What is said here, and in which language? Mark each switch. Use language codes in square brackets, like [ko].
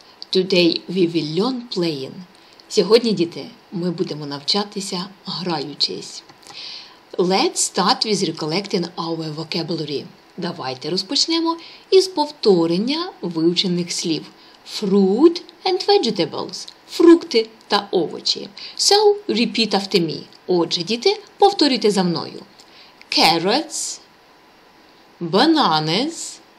[en] Today we will learn playing. [uk] Сьогодні, діти, ми будемо навчатися граючись. [en] Let's start with recollecting our vocabulary. [uk] Давайте розпочнемо із повторення вивчених слів. [en] Fruit and vegetables. [uk] Фрукти та овочі. [en] So, repeat after me. [uk] Отже, діти, повторюйте за мною. [en] Carrots. Bananas.